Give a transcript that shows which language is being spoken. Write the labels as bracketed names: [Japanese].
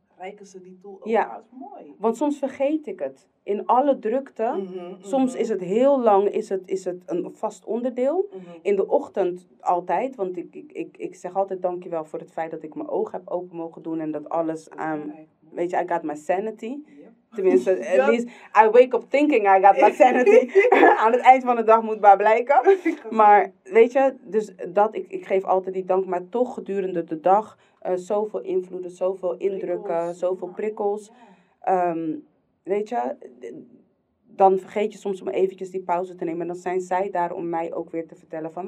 [Dutch] Rijken ze die tool ook mooi. Want soms vergeet ik het. In alle drukte. Mm-hmm, soms is het heel lang is het een vast onderdeel. Mm-hmm. In de ochtend altijd. Want ik zeg altijd dankjewel voor het feit dat ik mijn ogen heb open mogen doen. En dat alles aan... Weet je, [English] I got my sanity. Yep. [Dutch] Tenminste, [English] at least I wake up thinking I got my sanity. [Dutch] Aan het eind van de dag moet maar blijken. Maar weet je, dus dat ik geef altijd die dank. Maar toch gedurende de dag... zoveel invloeden, zoveel indrukken, prikkels. Zoveel prikkels. Ja. Weet je, dan vergeet je soms om eventjes die pauze te nemen. En dan zijn zij daar om mij ook weer te vertellen van...